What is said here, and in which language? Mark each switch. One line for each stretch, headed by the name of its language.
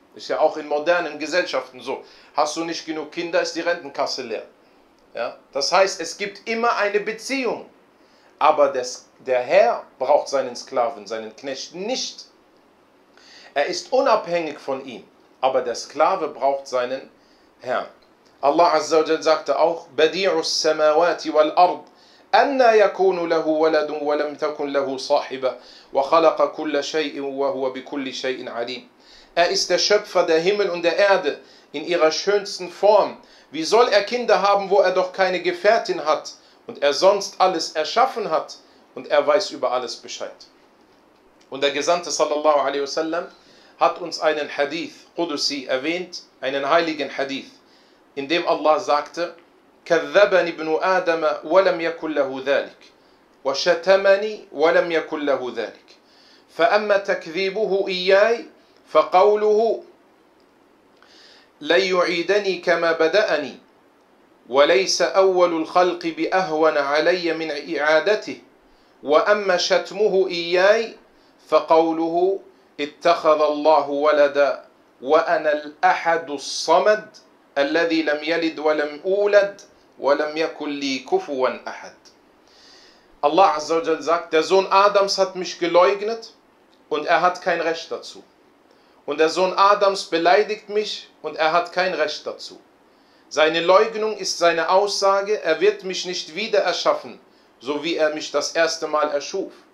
German: Ist ja auch in modernen Gesellschaften so. Hast du nicht genug Kinder, ist die Rentenkasse leer. Ja? Das heißt, es gibt immer eine Beziehung. Aber der Herr braucht seinen Sklaven, seinen Knecht nicht. Er ist unabhängig von ihm, aber der Sklave braucht seinen Herrn. Allah Azza wa Jalla sagte auch,
Arabic: بَدِيعُ السَّمَاوَاتِ وَالْأَرْضِ أَنَّا يَكُونُ لَهُ وَلَدٌ وَلَمْ تَكُنْ لَهُ صَاحِبَةٌ وَخَلَقَ كُلَّ شَيْءٍ وَهُوَ بِكُلِّ شَيْءٍ عَلِيمٌ.
German: Er ist der Schöpfer der Himmel und der Erde in ihrer schönsten Form. Wie soll er Kinder haben, wo er doch keine Gefährtin hat? Und er sonst alles erschaffen hat und er weiß über alles Bescheid. Und der Gesandte sallallahu alaihi wasallam hat uns einen Hadith Qudusi erwähnt, einen heiligen Hadith, in dem Allah sagte:
Arabic: كذبني ابن آدم ولم يكن له ذلك وشتمني ولم يكن له ذلك فأما تكذيبه إياي فقوله لن يعيدني كما بدأني وليس أول الخلق بأهون علي من إعادته وأما شتمه إياي فقوله اتخذ الله ولدا وأنا الأحد الصمد الذي لم يلد ولم أولد ولم يكن لي كفوا أحد.
German: الله عز وجل sagt, der Sohn Adams hat mich geleugnet und er hat kein Recht dazu. Und der Sohn Adams beleidigt mich und er hat kein Recht dazu. Seine Leugnung ist seine Aussage, er wird mich nicht wieder erschaffen, so wie er mich das erste Mal erschuf.